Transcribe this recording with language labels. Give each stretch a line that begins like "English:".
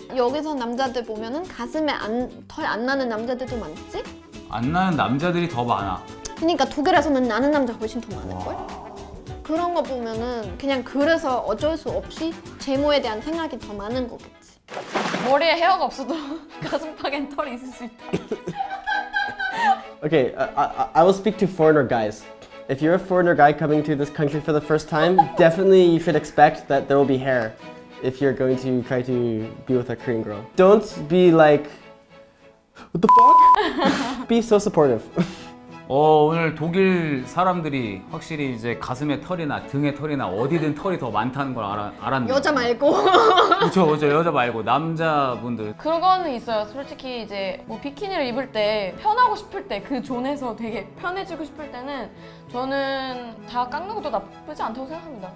Korean: 여기서 남자들 보면은 가슴에 덜 안 나는 남자들도 많지? 안 나는 남자들이 더 많아. 그러니까 독일에서는 나는 남자 훨씬 더 많을걸? 그런 거 보면은 그냥 그래서 어쩔 수 없이 제모에 대한 생각이 더 많은 거겠죠. 머리에 헤어가 없어도 가슴팍엔 털이 있을 수 있다.
English: Okay, I will speak to foreigner guys. If you're a foreigner guy coming to this country for the first time, definitely you should expect that there will be hair if you're going to try to be with a Korean girl. Don't be like, what the fuck? Be so supportive.
Korean: 오늘 독일 사람들이 확실히 이제 가슴에 털이나 등에 털이나 어디든 털이 더 많다는 걸 알았네요. 여자 말고. 그렇죠. 여자 말고 남자분들. 그런 거는 있어요. 솔직히 이제 뭐 비키니를 입을 때 편하고 싶을 때 그 존에서 되게 편해지고 싶을 때는 저는 다 깎는 것도 나쁘지 않다고 생각합니다.